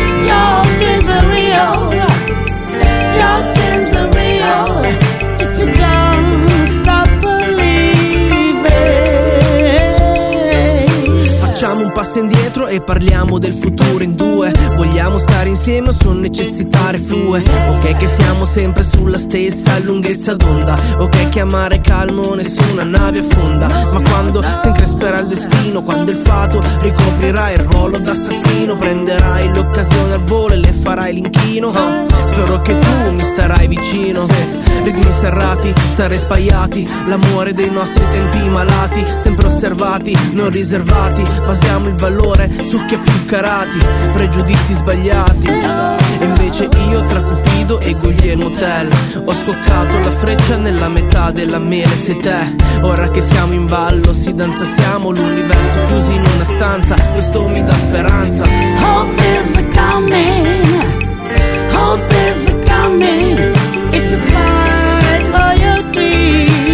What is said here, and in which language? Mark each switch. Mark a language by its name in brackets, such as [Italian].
[English] Your dreams are real, your dreams are real, if you don't stop believing. [Italian] Facciamo un passo indietro e parliamo del futuro in due. Vogliamo stare insieme o sono necessitare flue? Ok che siamo sempre sulla stessa lunghezza d'onda. Ok che amare calmo nessuna nave affonda. Ma quando si incresperà il destino, quando il fato ricoprirà il ruolo d'assassino, prenderai l'occasione al volo e le farai l'inchino. Spero che tu mi starai vicino. Ritmi serrati, stare spaiati, l'amore dei nostri tempi malati, sempre osservati, non riservati. Basiamo il valore su chi è più carati, pregiudizi sbagliati. E invece io tra Cupido e Guglielmo Tell ho scoccato la freccia nella metà della mela. Se te, ora che siamo in ballo, si danza, siamo l'universo chiusi in una stanza, questo mi dà speranza. [English] Hope is coming, hope is coming, if you fight for your dreams.